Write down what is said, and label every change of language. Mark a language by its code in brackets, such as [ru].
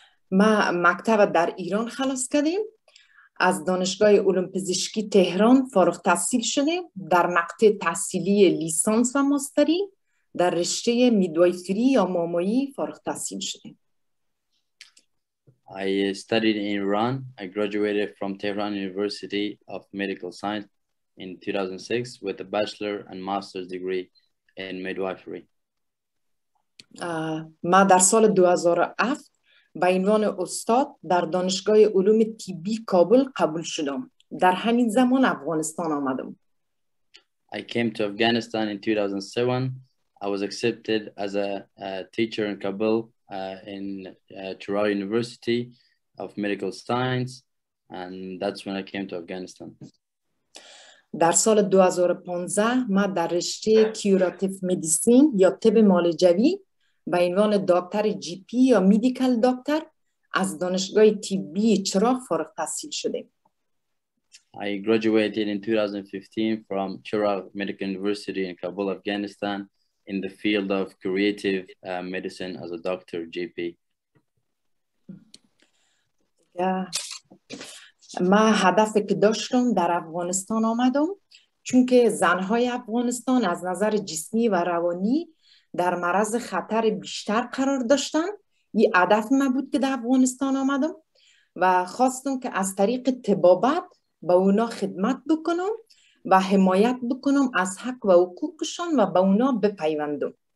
[fa] ما مکتب در ایران خلاص کردیم. از دانشگاه علوم پزشکی تهران فارغ تحصیل شدیم. در نقطه تحصیلی لیسانس و ماستری در رشته میدوایفری یا مامایی فارغ تحصیل شدیم. [en] I studied in Iran. I graduated from Tehran University of Medical Science in 2006 with a bachelor and master's degree in midwifery. [fa] ما در سال 2007 به عنوان استاد در دانشگاه علوم طبی کابل قبول شدم. در همین زمان افغانستان آمدم. [en] I came to Afghanistan in 2007. I was accepted as a teacher in Kabul. In Tehran University of Medical Science, and that's when I came to Afghanistan. [fa] در سال 2015 ما در رشته کیوراتیف مدیسین یا طب معالجوی به عنوان دکتر جی پی یا میدیکل دکتر از دانشگاه طبی چراغ فارغ تحصیل شدیم. [en] I graduated in 2015 from Chirag Medical University in Kabul, Afghanistan. In the field of creative medicine as a doctor, GP. [fa] ما هدف کداشتم در افغانستان آمدم چون که زنهای افغانستان از نظر جسمی و روانی در مرز خطر بیشتر قرار داشتن. یه هدف ما بود که در افغانستان آمدم و خواستم که از طریق طبابت با اونا خدمت بکنم و حمایت بکنم از حق و حقوقشان و به اونا بپیوندم.